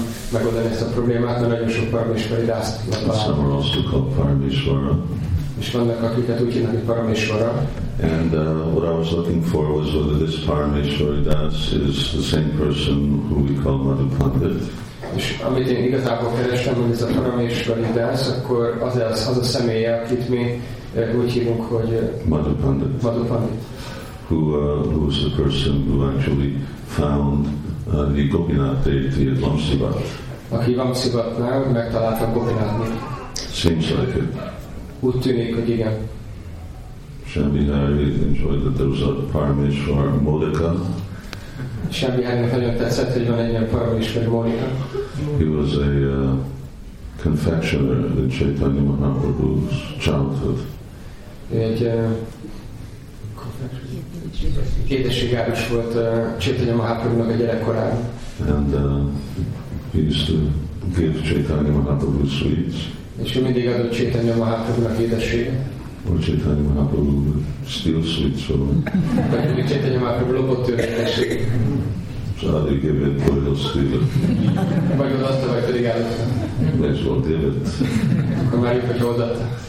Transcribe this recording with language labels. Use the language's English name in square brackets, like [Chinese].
[Hungarian] Megoldani ezt a problémát, mert nagyon sok Parameshwari Dast Parameshwara. És vannak, akiket úgy hívnak, hogy Parameshwara. [English] And what I was looking for was whether this Parameshwari Dast is the same person who we call Mother Pandit. [Hungarian] És amit én igazából kerestem, hogy ez a Parameshwari Dast, akkor az a személy, akit mi úgy hívunk, hogy [English] Mother Pandit. Mother Pandit. Who was the person who actually found the Gopinath deity at Vamsivat. [Hungarian] Aki Vamsivatnál megtalálta Gopinathni. [English] Seems like it. [Hungarian] Úgy tűnik, hogy igen. [English] Shambhi Hari enjoyed that there was a Parameshwar Modika. [Hungarian] Shambhi Hari nagyon tetszett, hogy van egy ilyen Parameshwar Modika. [English] He was a confectioner in Chaitanya Mahaprabhu's childhood. [Hungarian] Egy édességáros volt Chaitanya Mahaprabhu-nak a gyerekkorában. [English] And he used to give Chaitanya Mahaprabhu sweets. [Hungarian] És ő mindig adott Chaitanya Mahaprabhu-nak édessége. [English] Or Chaitanya Mahaprabhu steal sweets from him. [Hungarian] Vagy Chaitanya Mahaprabhu lopott tőle édessége. [English] So how do you give it, or he'll steal it? [Hungarian] Vagy odaadta, vagy pedig adott. [English] May as well give it. [Hungarian] Akkor már jött, hogy odaadta.